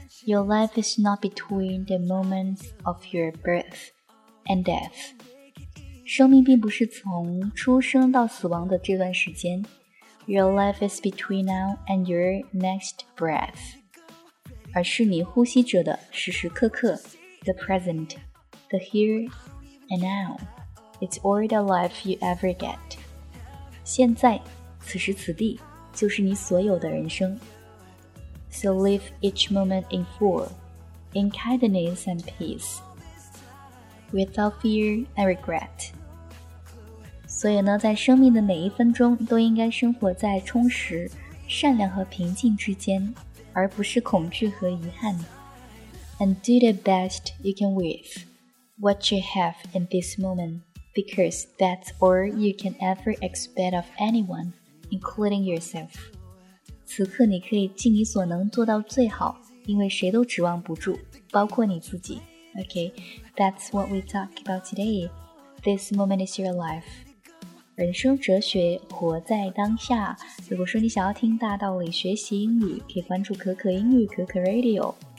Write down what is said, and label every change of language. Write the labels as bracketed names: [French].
[English] Your life is not between the moments of your birth and death. [Chinese] 生命并不是从出生到死亡的这段时间。 [English] Your life is between now and your next breath. [Chinese] 而是你呼吸着的时时刻刻。 [English] The present, the here and now, it's all the life you ever get. [Chinese] 现在，此时此地，就是你所有的人生。 [English] So live each moment in full, in kindness and peace, without fear and regret. [Chinese] 所以呢，在生命的每一分钟都应该生活在充实、善良和平静之间，而不是恐惧和遗憾。 [English] And do the best you can with what you have in this moment, because that's all you can ever expect of anyone, including yourself. [Chinese] 此刻你可以尽你所能做到最好，因为谁都指望不住，包括你自己。 [English] Okay, that's what we talk about today. This moment is your life. [Chinese] 人生哲学，活在当下。如果说你想要听大道理学习英语，可以关注可可英语可可 Radio。